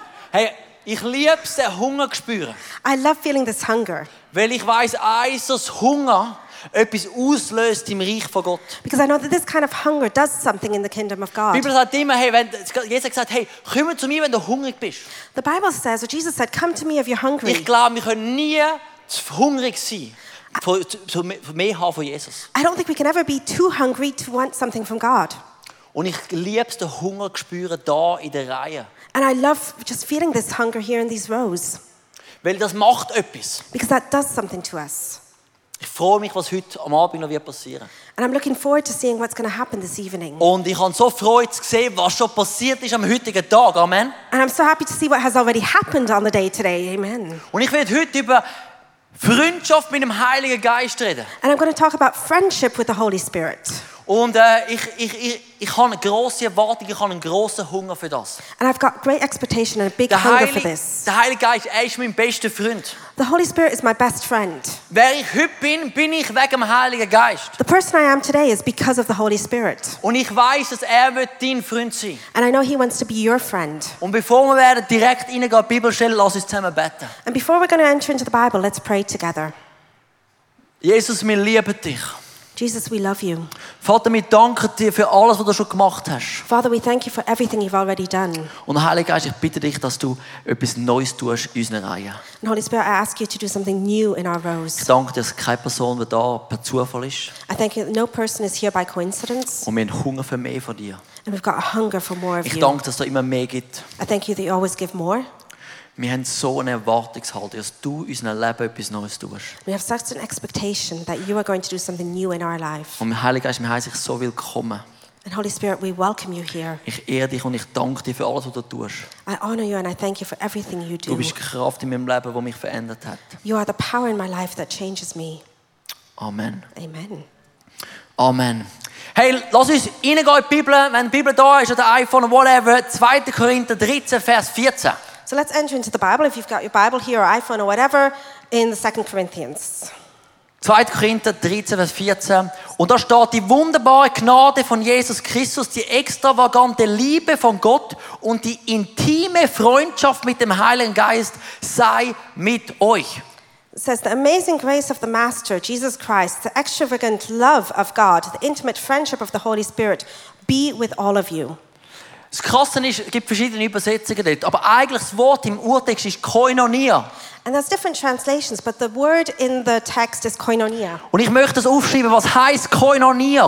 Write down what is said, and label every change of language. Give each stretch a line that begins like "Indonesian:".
German: Hey, ich liebe es, den Hunger zu spüren.
English: I love feeling this hunger.
German: Weil ich weiss, eins, dass Hunger etwas auslöst im Reich von Gott.
English: Because I know that this kind of hunger does something in the kingdom of God.
German: Die Bibel sagt immer, hey, wenn Jesus hat gesagt, hey, komm zu mir, wenn du hungrig bist.
English: The Bible says, or Jesus said, come to me if you're hungry.
German: Ich glaube, wir können nie zu hungrig sein. Mehr haben von Jesus.
English: I don't think we can ever be too hungry to want something from God.
German: Und ich liebe es, den Hunger zu spüren, da in der Reihe.
English: And I love just feeling this hunger here in these rows.
German: Weil das macht etwas.
English: Because that does something to us.
German: Ich freue mich, was heute am Abend noch passieren wird.
English: And I'm looking forward to seeing what's going to happen this evening.
German: Und ich habe so Freude zu sehen, was schon passiert ist am heutigen Tag. Amen.
English: And I'm so happy to see what has already happened on the day today. Amen.
German: Und ich werde heute über Freundschaft mit dem Heiligen Geist reden.
English: And I'm going to talk about friendship with the Holy Spirit.
German: Und ich habe eine grosse Erwartung, ich habe einen grossen Hunger für das.
English: And I've got great expectation and a big hunger for this.
German: Der Heilige Geist, er ist mein bester Freund.
English: The Holy Spirit is my best friend.
German: Wer ich heute bin, bin ich wegen dem Heiligen Geist.
English: The person I am today is because of the Holy Spirit.
German: Und ich weiß, dass er wird dein Freund sein.
English: And I know he wants to be your friend.
German: Und bevor wir direkt in die Bibel stellen, lass uns zusammen beten.
English: And before we're going to enter into the Bible, let's pray together.
German: Jesus, wir lieben dich.
English: Jesus, we love you.
German: Vater, wir danken dir für alles, was du schon gemacht hast.
English: Father, we thank you for everything you've already done.
German: Und Heiliger Geist, ich bitte dich, dass du etwas Neues tust in unserer Reihe.
English: And Holy Spirit, I ask you to do something new in our rows.
German: Ich danke dir, dass keine Person da per Zufall ist.
English: I thank you that no person is here by coincidence.
German: Und wir haben Hunger für mehr von dir.
English: And we've got a hunger for more of you.
German: Ich danke, dass du immer mehr gibt.
English: I thank you that you always give more.
German: Wir haben so eine Erwartungshaltung, dass du in unserem Leben etwas Neues tust.
English: We have such an expectation that you are going to do something new in our life.
German: Und mein Heiliger Geist, wir heißen dich so willkommen.
English: And Holy Spirit, we welcome you here.
German: Ich ehre dich und ich danke dir für alles, was du tust.
English: I honor you and I thank you for everything you do.
German: Du bist die Kraft in meinem Leben, die mich verändert hat.
English: You are the power in my life that changes me. Amen. Amen. Amen.
German: Hey, lass uns reingehen in die Bibel, wenn die Bibel da ist oder iPhone oder whatever. 2. Korinther 13, Vers 14.
English: So let's enter into the Bible, if you've got your Bible here or iPhone or whatever, in the 2 Corinthians.
German: 2. Korinther 13, Vers 14. Und da steht, die wunderbare Gnade von Jesus Christus, die extravagante Liebe von Gott und die intime Freundschaft mit dem Heiligen Geist sei mit euch.
English: It says, the amazing grace of the Master, Jesus Christ, the extravagant love of God, the intimate friendship of the Holy Spirit, be with all of you.
German: Das Krasse ist, es gibt verschiedene Übersetzungen dort, aber eigentlich das Wort im Urtext ist koinonia.
English: And there's different translations, but the word in the text is koinonia.
German: Und ich möchte das aufschreiben, was heisst koinonia?